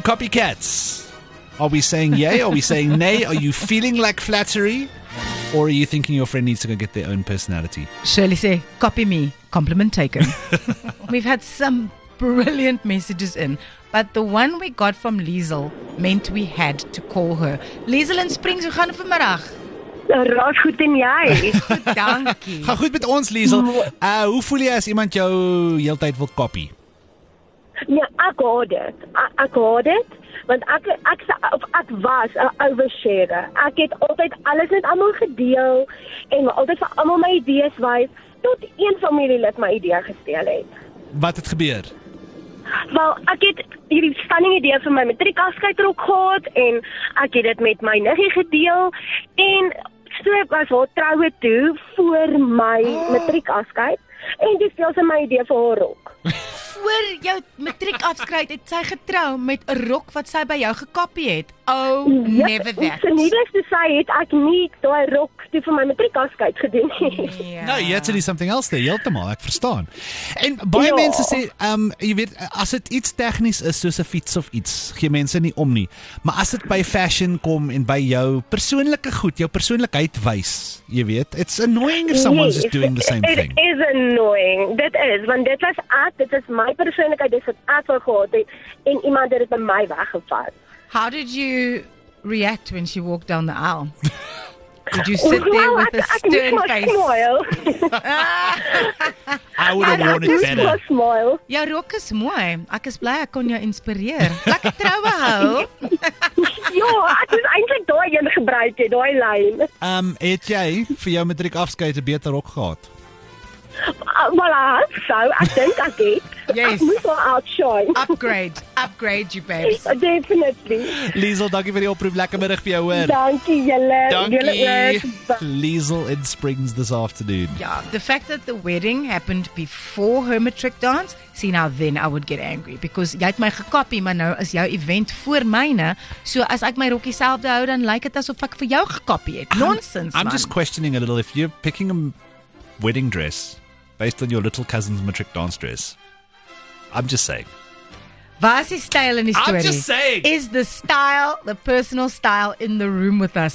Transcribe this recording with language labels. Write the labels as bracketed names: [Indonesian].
[English] Copycats. Are we saying yay? Are we saying nay? Are you feeling like flattery? Or are you thinking your friend needs to go get their own personality? Shirley say, copy me. Compliment taken. We've had some brilliant messages in, but the one we got from Liesel meant we had to call her. [Afrikaans] Liesel in Springs, hoe gaan het vanmiddag? Ras goed en jy? Dankie. Gaan goed met ons, Liesel. Hoe voel jy as iemand jou heel tyd wil copy? Ja, ek hoorde het. Want ek was 'n oversharer. Ek het altyd alles met almal gedeel en altyd vir almal my idees wys tot een familielid my idee gesteel het. Wat het gebeur? Wel, ek het hierdie stunning idee vir my matriek afskeidrok gehad en ek het dit met my niggie gedeel en so was haar troue toe voor my matriek afskeid en dit was my idee vir haar rok. Voor jou matriek afskeid het sy getrou met 'n rok wat sy by jou gekopie het. [English] Never that. [Afrikaans] Sy nie dis sy het ek nie daai rok toe vir my matriek afskeid gedoen [English] nie. Yeah. No, [Afrikaans] jy het iets [English] something else there. [Afrikaans] Jy het hom al, ek verstaan. En baie mense sê jy weet as dit iets tegnies is soos 'n fiets of iets, gee mense nie om nie. Maar as dit by fashion kom en by jou persoonlike goed, jou persoonlikheid wys, jy weet, [English] it's annoying if someone's just doing the same thing. It is annoying. That is when [Afrikaans] dit was ek, dit is my persoonlikheid, dit het ek al gehad het en iemand het dit by my weggevat. [English] How did you react when she walked down the aisle? Did you sit there with a stern face? I would have worn it better. [Afrikaans] Jou rok is mooi. Ek is bly ek kon jou inspireer. Lekker troue hou. Ja, ek het eintlik daai een gebruik, daai lyn. Het jy vir jou matriek afskeid 'n beter rok gehad? [English] Voilà, so I think I did. Yes. [Afrikaans] I moet wel [English] outshine. Upgrade. Upgrade you, babes. Definitely. [Afrikaans] Liesel, dankie vir die oproep. Lekker middag vir jou, hoor. Dankie, julle. [English] Dankie. Liesel in Springs this afternoon. Yeah, the fact that the wedding happened before her matric dance, see now then I would get angry. [Afrikaans] Because jy het my gekopie, maar nou is jou event voor myne. So as ek my rokkie selfde hou, dan lyk het asof ek vir jou gekopie het. [English] Nonsense, I'm just questioning a little. If you're picking a wedding dress based on your little cousin's matric dance dress. I'm just saying. [Afrikaans] Waar is die style in die story? [English] I'm just saying. Is the style, the personal style in the room with us?